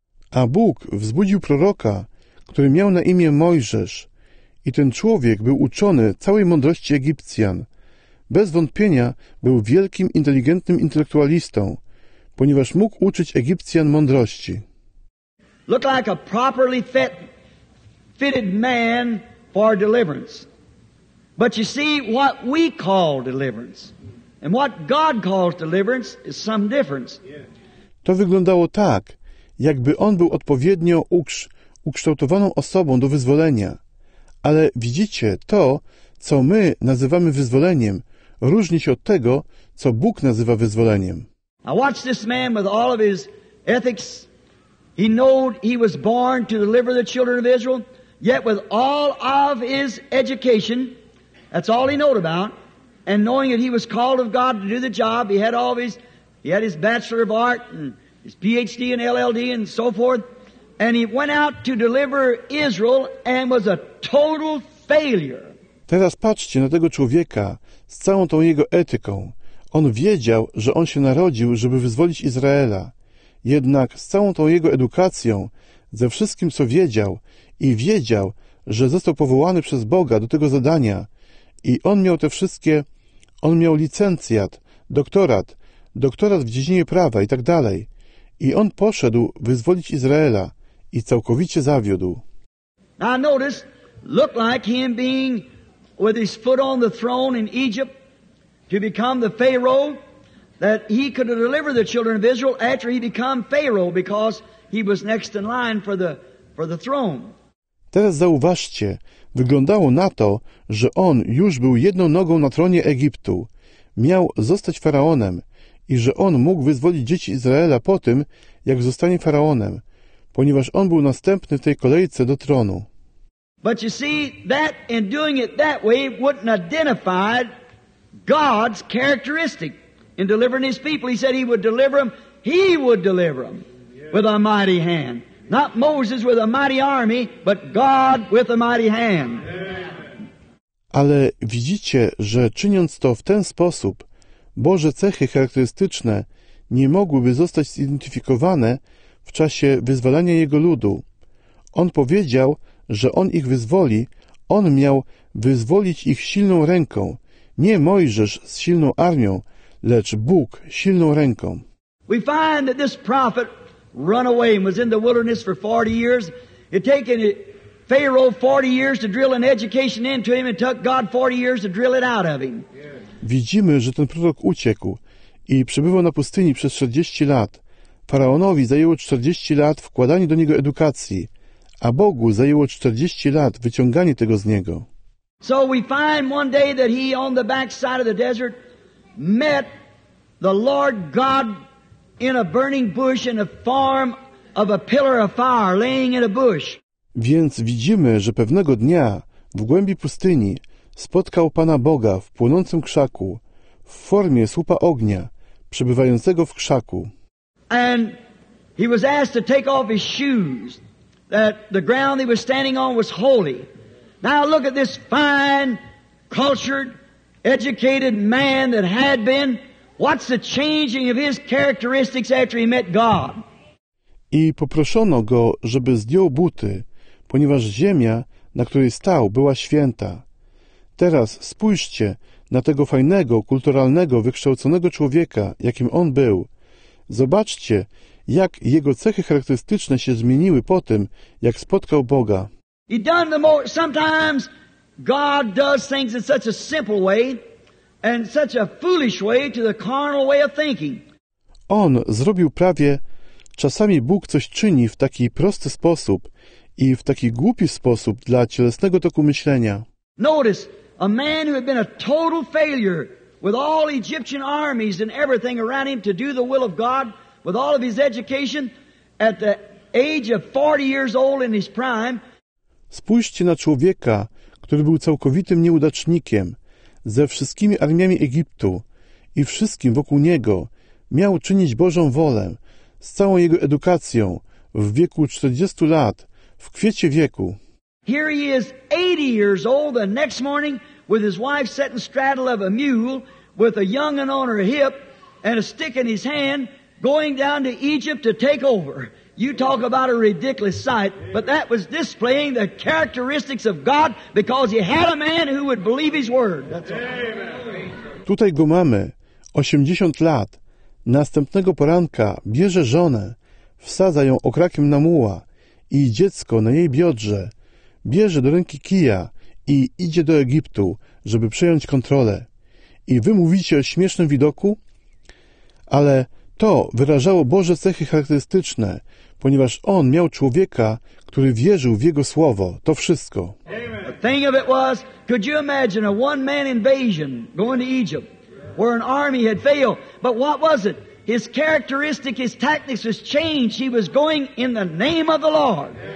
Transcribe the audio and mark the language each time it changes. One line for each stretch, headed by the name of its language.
Polish: A Bóg wzbudził proroka, który miał na imię Mojżesz. I ten człowiek był uczony całej mądrości Egipcjan. Bez wątpienia był wielkim, inteligentnym intelektualistą, ponieważ mógł uczyć Egipcjan mądrości.
English: Looked like a properly fitted man for deliverance. But you see, what we call deliverance and what God calls deliverance is some difference.
Polish: To wyglądało tak, jakby on był odpowiednio ukształtowaną osobą do wyzwolenia. Ale widzicie, to, co my nazywamy wyzwoleniem, różni się od tego, co Bóg nazywa wyzwoleniem.
English: I watch this man with all of his ethics. He knew he was born to deliver the children of Israel, yet with all of his education, that's all he knew about, and knowing that he was called of God to do the job, he had his Bachelor of Art and his PhD and LLD and so forth, and he went out to deliver Israel and was a total failure.
Polish: Teraz patrzcie na tego człowieka z całą tą jego etyką. On wiedział, że on się narodził, żeby wyzwolić Izraela. Jednak z całą tą jego edukacją, ze wszystkim, co wiedział i wiedział, że został powołany przez Boga do tego zadania i on miał te wszystkie, on miał licencjat, doktorat w dziedzinie prawa i tak dalej. I on poszedł wyzwolić Izraela i całkowicie zawiódł.
English: Now notice, looked like him being with his foot on the throne in Egypt to become the Pharaoh. That he could deliver the children of Israel after he became Pharaoh, because he was next in line for the throne.
Polish: Teraz zauważcie, wyglądało na to, że on już był jedną nogą na tronie Egiptu, miał zostać faraonem i że on mógł wyzwolić dzieci Izraela po tym, jak zostanie faraonem, ponieważ on był następny w tej kolejce do tronu.
English: But you see, that in doing it that way wouldn't identify God's characteristic. In delivering his people, he said he would deliver them with a mighty hand. Not Moses with a mighty army, but God with a mighty hand.
Polish: Ale widzicie, że czyniąc to w ten sposób, Boże cechy charakterystyczne nie mogłyby zostać zidentyfikowane w czasie wyzwalania jego ludu. On powiedział, że on ich wyzwoli, on miał wyzwolić ich silną ręką, nie Mojżesz z silną armią, lecz Bóg silną ręką.
English: We find that this prophet run away and was in the wilderness for 40 years. It taken Pharaoh 40 years to drill an education into him and took God 40 years to drill it out of him.
Polish: Widzimy, że ten prorok uciekł i przebywał na pustyni przez 40 lat. Faraonowi zajęło 40 lat wkładanie do niego edukacji, a Bogu zajęło 40 lat wyciąganie tego z niego.
English: So we find one day that he on the back side of the desert met the Lord God in a burning bush in the form of a pillar of fire laying in a bush.
Polish: Więc widzimy, że pewnego dnia w głębi pustyni spotkał Pana Boga w płonącym krzaku w formie słupa ognia przebywającego w krzaku.
English: And he was asked to take off his shoes, that the ground he was standing on was holy. Now look at this fine, cultured, educated man that had been, what's the changing of his characteristics after he met God?
Polish: I poproszono go, żeby zdjął buty, ponieważ ziemia, na której stał, była święta. Teraz spójrzcie na tego fajnego, kulturalnego, wykształconego człowieka, jakim on był. Zobaczcie, jak jego cechy charakterystyczne się zmieniły po tym, jak spotkał Boga.
English: He done the more, sometimes God does things in such a simple way and such a foolish way to the carnal way of thinking.
Polish: On zrobił prawie, czasami Bóg coś czyni w taki prosty sposób i w taki głupi sposób dla cielesnego toku myślenia.
English: Notice, a man who had been a total failure with all Egyptian armies and everything around him to do the will of God, with all of his education, at the age of 40 years old in his prime.
Polish: Spójrzcie na człowieka, który był całkowitym nieudacznikiem, ze wszystkimi armiami Egiptu i wszystkim wokół niego, miał czynić Bożą wolę, z całą jego edukacją, w wieku 40 lat, w kwiecie wieku.
English: Here he is 80 years old the next morning with his wife sitting straddle of a mule with a young un on her hip and a stick in his hand going down to Egypt to take over. You talk about a ridiculous sight, but that was displaying the characteristics of God because he had a man who would believe his word. That's all.
Polish: Tutaj go mamy, 80 lat. Następnego poranka bierze żonę, wsadza ją okrakiem na muła i dziecko na jej biodrze. Bierze do ręki kija i idzie do Egiptu, żeby przejąć kontrolę. I wy mówicie o śmiesznym widoku? Ale to wyrażało Boże cechy charakterystyczne, ponieważ on miał człowieka, który wierzył w jego słowo. To wszystko.
English: The thing of it was, could you imagine a one-man invasion going to Egypt, where an army had failed? But what was it? His characteristic, his tactics was changed. He was going in the name of the Lord.